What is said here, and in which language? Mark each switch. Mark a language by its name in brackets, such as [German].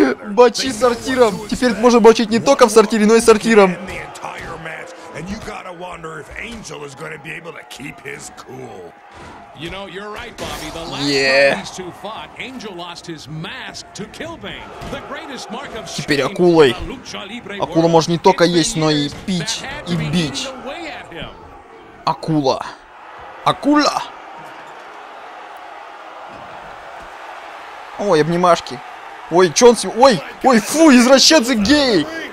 [Russian] Бочи с сортиром. Теперь можно бочить не только в сортире, но и сортиром. [English] And you gotta wonder if Angel is gonna be able to keep his cool. You know, you're right, Bobby. The last time these two fought, Angel lost his mask to Kilbane. The greatest mark of shame. [Russian] Теперь акулой. Акула может не только есть, но и пить и бить. Акула. Акула. Ой, обнимашки. Ой, чё он себе... Ой, фу, извращенцы гей.